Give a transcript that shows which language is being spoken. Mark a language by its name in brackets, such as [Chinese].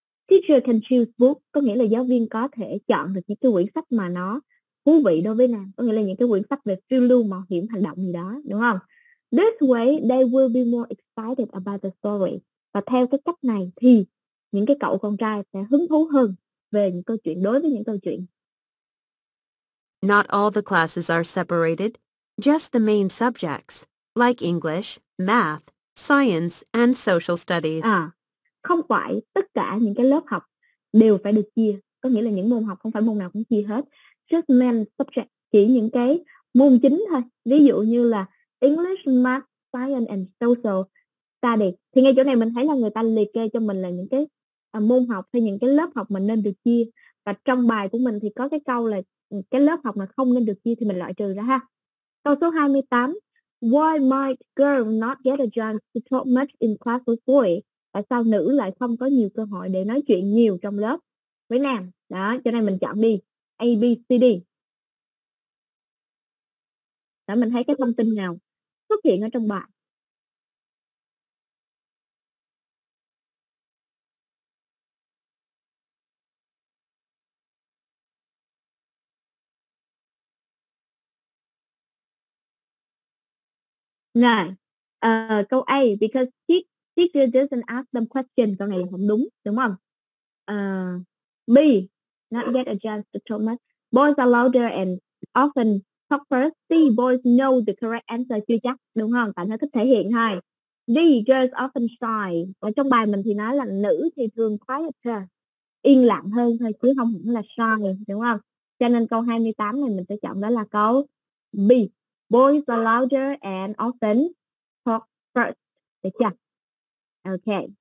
[English] Teacher can choose book, [Vietnamese] có nghĩa là giáo viên có thể chọn được những cái quyển sách mà nó thú vị đối với nam, có nghĩa là những cái quyển sách về phiêu lưu, mạo hiểm, hành động gì đó, đúng không? [English] This way, they will be more excited about the story. [Vietnamese] Và theo cái cách này thì những cái cậu con trai sẽ hứng thú hơn về những câu chuyện, đối với những câu chuyện. [English] Not all the classes are separated, just the main subjects, like English, math, science, and social studies. [Vietnamese] À, không phải tất cả những cái lớp học đều phải được chia, có nghĩa là những môn học không phải môn nào cũng chia hết. [English] Just main subjects, [Vietnamese] chỉ những cái môn chính thôi, ví dụ như là [English] English, math, science, and social studies. [Vietnamese] Thì ngay chỗ này mình thấy là người ta liệt kê cho mình là những cái môn học hay những cái lớp học mình nên được chia. Và trong bài của mình thì có cái câu là cái lớp học mà không nên được chia thì mình loại trừ ra ha. Câu số 28. [English] Why might girl not get a chance to talk much in class with boy? [Vietnamese] Tại sao nữ lại không có nhiều cơ hội để nói chuyện nhiều trong lớp với nam? Đó, cho nên mình chọn đi. A, B, C, D. Để mình thấy cái thông tin nào xuất hiện ở trong bài. Này, câu A, [English] because teacher doesn't ask them questions, [Vietnamese] câu này là không đúng, đúng không? [English] B, not get a chance to talk much. Boys are louder and often talk first. C, boys know the correct answer, [Vietnamese] chưa chắc, đúng không? Tại nó thích thể hiện hai. D, [English] girls often shy. [Vietnamese] Ở trong bài mình thì nói là nữ thì thường quiet hơn, yên lặng hơn thôi, chứ không hẳn là shy, đúng không? Cho nên câu 28 này mình sẽ chọn đó là câu B. [English] Boys are louder and often talk first. [Vietnamese] Được chưa? [English] Ok.